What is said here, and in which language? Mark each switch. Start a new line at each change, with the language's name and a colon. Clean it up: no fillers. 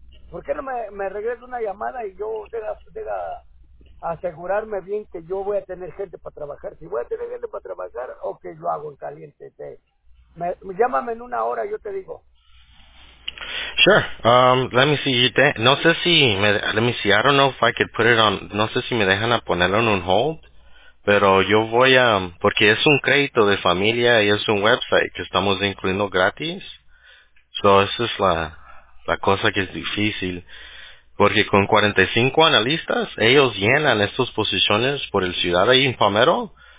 Spanish: ¿Por qué no me regreso una llamada y yo deja asegurarme bien que yo voy a tener gente para trabajar? Si voy a tener gente para trabajar, ok, lo hago en caliente. Llámame en una hora, yo te digo.
English: Sure. Let me see.
Spanish: No sé si me,
English: let me see. I don't know if I could put it on.
Spanish: No sé si me dejan a ponerlo en un hold. Pero yo voy a, porque es un crédito de familia y es un website que estamos incluyendo gratis.
English: So
Spanish: eso es la cosa que es difícil. Porque con 45 analistas, ellos llenan estas posiciones por el ciudad ahí en Palmero.